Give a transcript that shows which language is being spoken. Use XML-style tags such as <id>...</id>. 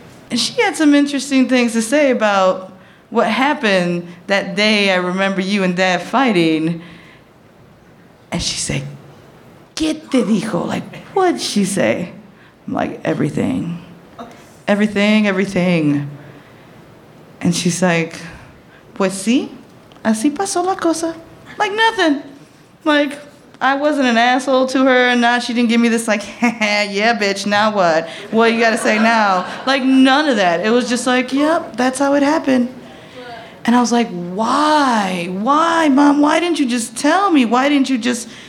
<en>And she had some interesting things to say about what happened that day I remember you and Dad fighting. And she said,</en> <es>¿qué te dijo?</es> <en>Like, what'd she say? I'm like, everything. Everything, everything. And she's like,</en> <es>pues sí, así pasó la cosa.</es> <en>Like, nothing. Like, I wasn't an asshole to her, and now she didn't give me this, like, yeah, bitch, now what? What you gotta say now? Like, none of that. It was just like, yep, that's how it happened. And I was like, why, Mom? Why didn't you just tell me? Why didn't you just...</en>